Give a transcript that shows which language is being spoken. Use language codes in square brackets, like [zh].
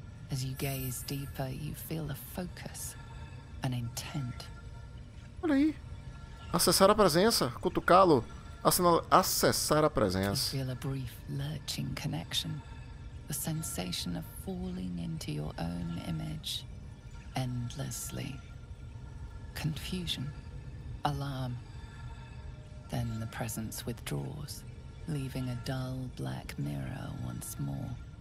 [en] As you gaze deeper, you feel a focus, an intent. [pt] Olha aí. Acessar a presença, cutucá-lo, acessar a presença. [en] You feel a brief lurching connection. The sensation of falling into your own image endlessly. Confusion, alarm. Then the presence withdraws, leaving a dull black mirror once more.